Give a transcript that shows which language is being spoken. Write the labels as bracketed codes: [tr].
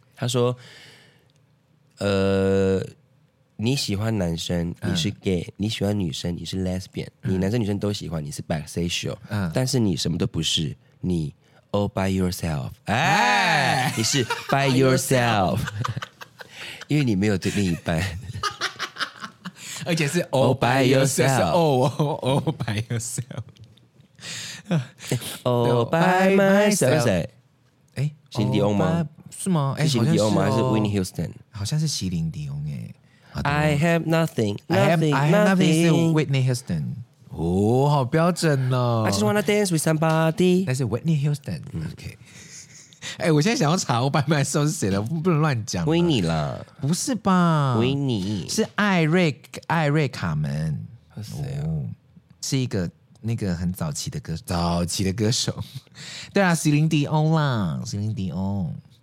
[zh] 他说，你喜欢男生你是 gay、你喜欢女生你是 lesbian、你男生女生都喜欢你是 bisexual、但是你什么都不是，你 all by yourself、你是 by yourself。因为你没有对另一半。而且是 all by yourself。 all by yourself。 all by myself。 席琳迪翁吗？是吗？是席琳迪翁吗？还是 Whitney Houston？好像是席琳迪翁。 [en] I have nothing, nothing, nothing. I have nothing. Whitney Houston. [zh] 哦，好标准哦。 [en] I just wanna dance with somebody. [zh] 那是 Whitney Houston. Okay. 哎，我现在想要查我版本的时候是谁的，不能乱讲。维尼啦。不是吧？维尼是艾瑞卡门。谁啊？是一个那个很早期的歌手，早期的歌手。对啊，席琳迪翁啦，席琳迪翁。